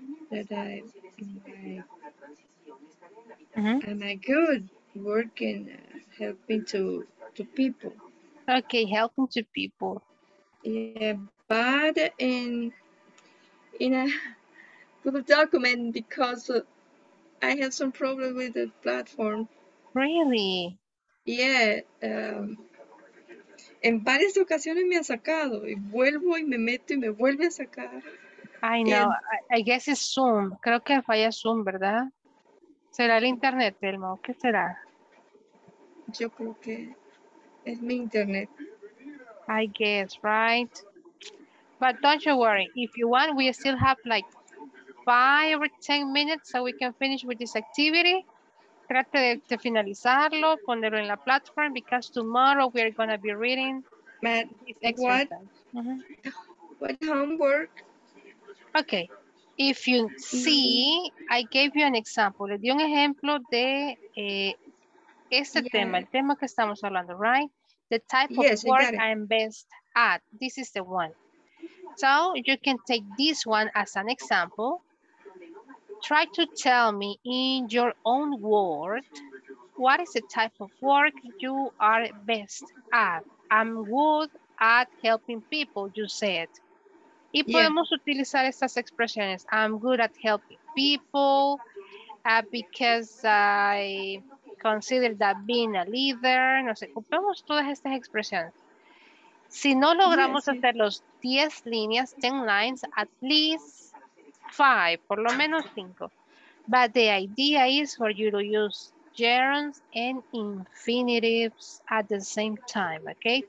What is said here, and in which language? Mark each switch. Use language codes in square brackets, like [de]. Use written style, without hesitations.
[en] that I am I good working, helping to people. Okay, helping to people. Yeah, but in a Google document, because I have some problem with the platform. Really? Yeah. [es] En varias ocasiones me ha sacado y vuelvo y me meto y me vuelve a sacar. [en] I know. And, I guess it's Zoom. [es] Creo que falla Zoom, ¿verdad? ¿Será el internet, Telmo? ¿Qué será? Yo creo que es mi internet. [en] I guess, right? But don't you worry. If you want, we still have like 5 or 10 minutes so we can finish with this activity. [es] Trate de finalizarlo, ponerlo en la plataforma, [en] because tomorrow we are going to be reading. Matt, what? Uh-huh. What homework? Okay. If you see, I gave you an example. [es] Le di un ejemplo de este tema, el tema que estamos hablando, [en] right? The type of work I'm best at. This is the one. So you can take this one as an example. Try to tell me in your own word, what is the type of work you are best at? I'm good at helping people, you said. [es] Y podemos utilizar estas expresiones. [en] I'm good at helping people because I consider that being a leader. [es] No sé, ocupemos todas estas expresiones. Si no logramos hacer los 10 líneas, [en] 10 lines, at least 5, [es] por lo menos 5. [en] But the idea is for you to use gerunds and infinitives at the same time, okay?